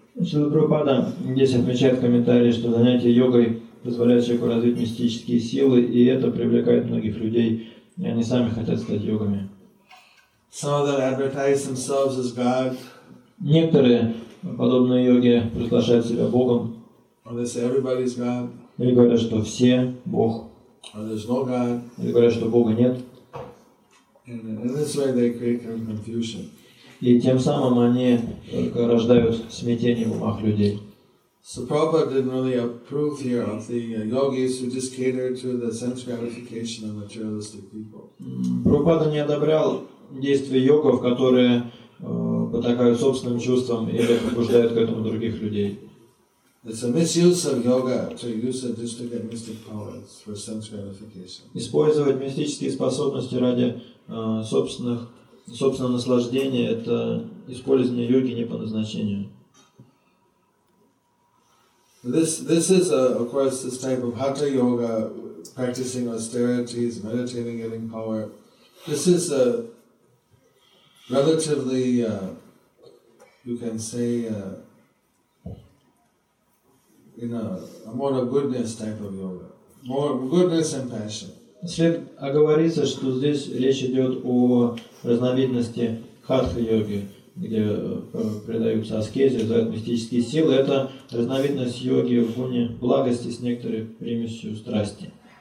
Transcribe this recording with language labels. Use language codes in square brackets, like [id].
[ru] Шрила Прабхупада здесь отмечает в комментарии, что занятие йогой позволяет человеку развить мистические силы, и это привлекает многих людей, и они сами хотят стать йогами. [en] Some of them advertise themselves as God. [ru] Некоторые подобные йоги приглашают себя Богом. [en] Or they say everybody's God. [ru] Или говорят, что все Бог. [en] Or there's no God. [ru] Или говорят, что Бога нет. [en] And in this way they create kind of confusion. [ru] И тем самым они только рождают смятение в умах людей. [en] So Prabhupada didn't really approve here of the yogis who just cater to the sense gratification of materialistic people. [ru] Прабхупада не одобрял действия йогов, которые потакают собственным чувствам или побуждают к этому других людей. [en] It's a misuse of yoga to use it just to get mystic powers for sense gratification. [ru] Использовать мистические способности ради собственного наслаждения – это использование йоги не по назначению. [en] This is of course this type of hatha yoga, practicing austerities, meditating, getting power. This is a relatively, you can say, in a more of goodness type of yoga, more goodness and passion. [ru] След оговориться, что здесь речь идет о разновидности хатха йоги, где предаются аскезе, дают мистические силы. Это разновидность йоги в гуне благости с некоторой примесью страсти.